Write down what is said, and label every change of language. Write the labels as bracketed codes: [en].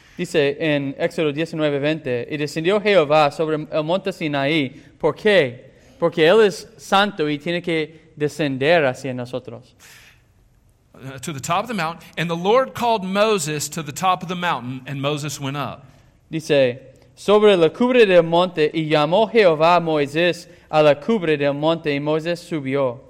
[es] Dice en Éxodo 19, 20, y descendió Jehová sobre el monte Sinai. ¿Por qué? Porque él es santo y tiene que descender hacia nosotros. [en] To the top of the mountain. And the Lord called Moses to the top of the mountain, and Moses went up. [es] Dice, sobre la cumbre del monte, y llamó Jehová a Moisés a la cumbre del monte, y Moisés subió.